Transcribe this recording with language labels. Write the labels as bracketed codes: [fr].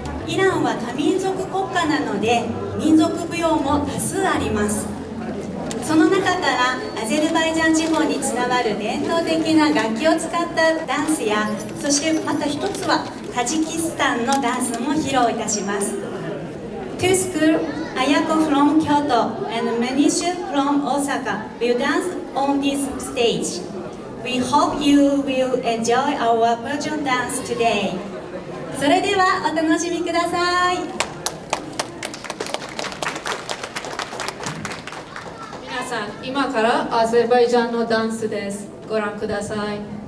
[ja] イランは多民族国家なので民族舞踊も多数あります。その中からアゼルバイジャン地方につながる伝統的な楽器を使ったダンスや、そしてまた一つはタジキスタンのダンスも披露いたします。 [en] Two school Ayako from Kyoto and Manishu from Osaka will dance on this stage. We hope you will enjoy our Persian dance today. [ja] それではお楽しみください。今からアゼルバイジャンのダンスです。ご覧ください。